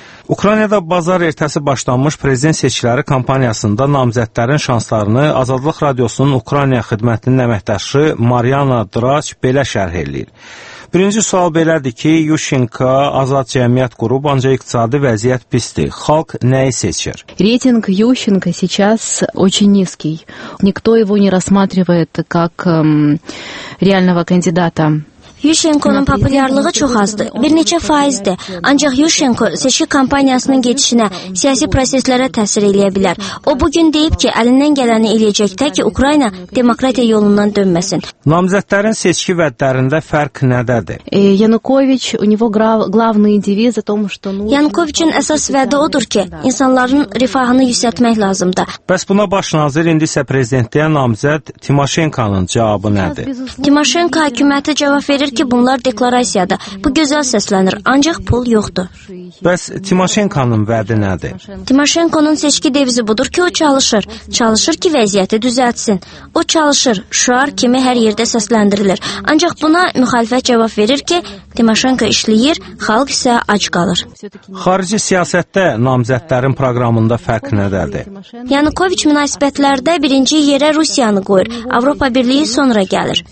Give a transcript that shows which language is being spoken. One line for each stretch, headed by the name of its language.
Azerbaijani: Ukraynada bazar ertəsi başlanmış prezident seçkiləri kampaniyasında namizədlərin şanslarını Azadlıq Radiosunun Ukrayna xidmətinin əməkdaşı Mariana Draç belə şərh edir. Birinci sual belədir ki, Yushchenko azad cəmiyyət qurub, ancaq iqtisadi vəziyyət pisdir. Xalq nəyi seçir?
Russian: Reyting Yushchenko сейчас очень низкий. Никто его не рассматривает как реального кандидата.
Azerbaijani: Yushchenko'nun populyarlığı çox azdır, bir neçə faizdir. Ancaq Yushchenko seçki kampaniyasının geçişinə, siyasi proseslərə təsir eləyə bilər. O bugün deyib ki, əlindən gələni eləyəcək tək ki, Ukrayna demokratiya yolundan dönməsin. Namizədlərin seçki vədlərində fərq nədədir?
Russian: Yanukovic, u него главный девиз о том, что нужно.
Azerbaijani: Yanukovicin əsas vədi odur ki, insanların rifahını yüksəltmək lazımdır. Bəs buna başnazir indi isə prezidentliyə namizəd Timoshenkonun cavabı nədir? Timoshenko hökuməti cavab verir ki, bunlar deklarasiyada. Bu gözəl səslənir, ancaq pul yoxdur. Bəs Timoshenkonun vədi nədir? Timoshenkonun seçki devizi budur ki, o çalışır. Çalışır ki, vəziyyəti düzəltsin. O çalışır, şuar kimi hər yerdə səsləndirilir. Ancaq buna müxalifət cavab verir ki, Timoshenko işləyir, xalq isə ac qalır. Xarici siyasətdə namizədlərin proqramında fərq nədədir? Yanukovic münasibətlərdə birinci yerə Rusiyanı qoyur. Avropa Birliyi sonra gəlir.